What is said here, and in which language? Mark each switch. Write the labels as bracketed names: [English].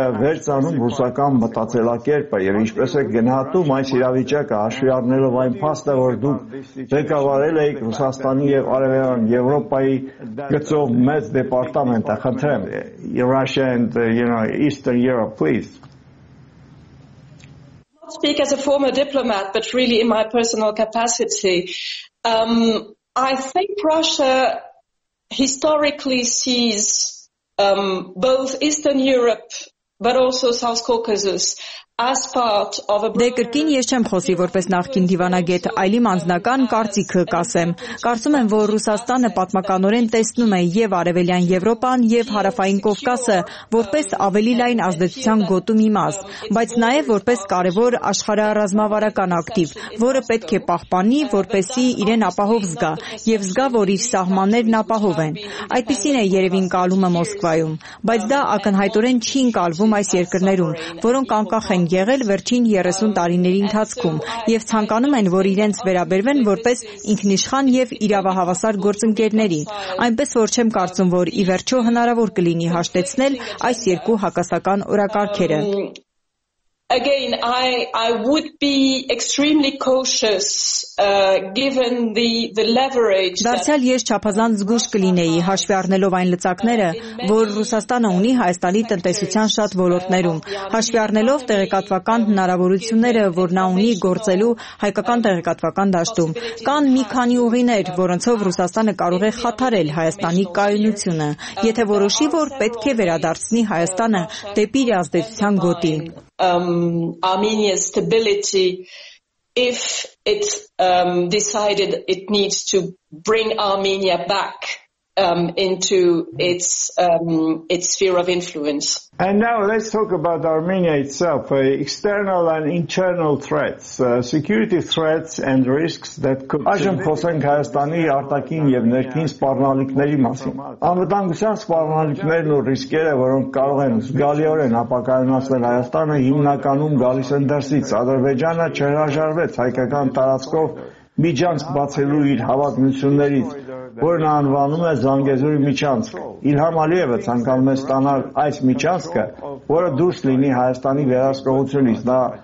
[Armenian] վերցանում ռուսական մտածելակերպը եւ ինչպես է գնահատում այս իրավիճակը, հաշվի առնելով այն փաստը, որ դուք ղեկավարել եք Ռուսաստանի եւ Արևելյան Եվրոպայի գծով մեծ դեպարտամենտը, խնդրեմ, [English] Russia and you know Eastern Europe, please. Not speak as a former diplomat, but really in my personal capacity. I think Russia historically sees both Eastern Europe but also South Caucasus as part of a [Armenian] Դե կրկին ես չեմ խոսի որպես նախկին դիվանագետ, այլ իմ անձնական կարծիքը կասեմ։ Կարծում եմ, որ Ռուսաստանը պատմականորեն տեսնում է եւ Արևելյան Եվրոպան եւ Հարավային Կովկասը որպես ավելի լայն ազդեցության գոտում իմաստ, բայց նաեւ որպես կարեւոր աշխարհառազմավարական ակտիվ, որը պետք է պահպանի, որպեսզի իրեն ապահով զգա եւ զգա, որ իր սահմաններն ապահով են։ Այդպիսին է երևին կալումը Մոսկվայում, բայց դա ակնհայտորեն չի ընկալվում այս երկրներում, որոնք անկախ են եղել վերջին 30 տարիների ընթացքում եւ ցանկանում են, որ իրենց վերաբերվեն որպես ինքնիշխան եւ իրավահավասար գործընկերների, այնպես որ չեմ կարծում, որ ի վերջո հնարավոր կլինի հաշտեցնել այս երկու հակասական օրակարգերը։ [English] Again, I would be extremely cautious given the leverage. [Armenian] Դարձյալ ես չափազանց զգուշ կլինեի հաշվի առնելով այն լծակները, որ Ռուսաստանը ունի Հայաստանի տնտեսության շատ ոլորտներում, հաշվի առնելով տեղեկատվական հնարավորությունները, որ նա ունի գործելու հայկական տեղեկատվական դաշտում։ Կան մի քանի ուղիներ, որոնցով Ռուսաստանը կարող է խաթարել Հայաստանի կայունությունը, եթե որոշի, որ պետք է վերադարձնի Հայաստանը դեպի իր ազդեցության գոտի։ [English] Armenia's stability if it decided it needs to bring Armenia back into its sphere of influence. And now let's talk about Armenia itself, external and internal threats, security threats and risks that could [Armenian] Այժմ խոսենք Հայաստանի արտաքին եւ ներքին սպառնալիքների մասին։ Անվտանգության սպառնալիքներն ու ռիսկերը, որոնք կարող են զգալիորեն ապակայունացնել Հայաստանը, հիմնականում գալիս են դրսից։ Ադրբեջանը չհրաժարվեց հայկական տարածքով միջանցք բացելու իր հավատմություններից, որն անվանում է Զանգեզուրի միջանցք։ Իլհամ Ալիևը ցանկանում է ստանալ այս միջանցքը, որը դուրս լինի Հայաստանի վերահսկողությունից։ Նա